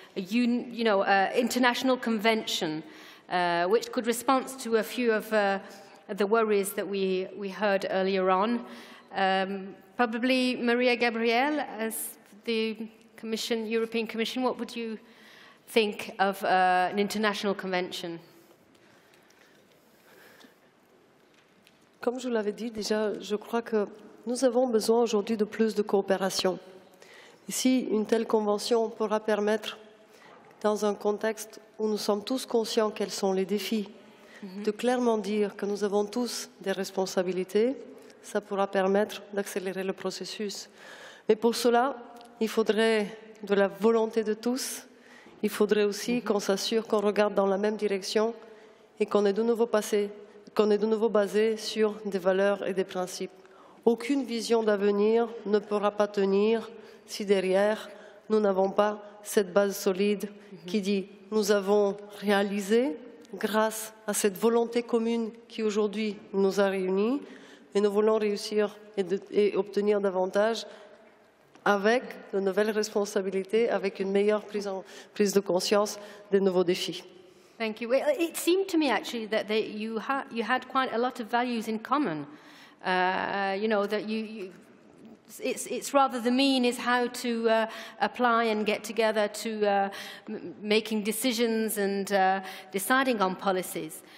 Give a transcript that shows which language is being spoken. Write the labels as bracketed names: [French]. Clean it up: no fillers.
[English] International convention, which could respond to a few of the worries that we heard earlier on. Probably Maria Gabriel, as the Commission, European Commission, what would you think of an international convention? [French] Comme je l'avais dit déjà, je crois que nous avons besoin aujourd'hui de plus de coopération. Ici, une telle convention pourra permettre, dans un contexte où nous sommes tous conscients quels sont les défis, de clairement dire que nous avons tous des responsabilités, ça pourra permettre d'accélérer le processus. Mais pour cela, il faudrait de la volonté de tous, il faudrait aussi qu'on s'assure qu'on regarde dans la même direction et qu'on est de nouveau passé, qu'on est de nouveau basé sur des valeurs et des principes. Aucune vision d'avenir ne pourra pas tenir si derrière, nous n'avons pas cette base solide qui dit nous avons réalisé grâce à cette volonté commune qui aujourd'hui nous a réunis et nous voulons réussir et obtenir davantage avec de nouvelles responsabilités, avec une meilleure prise de conscience des nouveaux défis. [English] Thank you. Well, it seemed to me actually that you had quite a lot of values in common. It's rather the mean is how to apply and get together to making decisions and deciding on policies.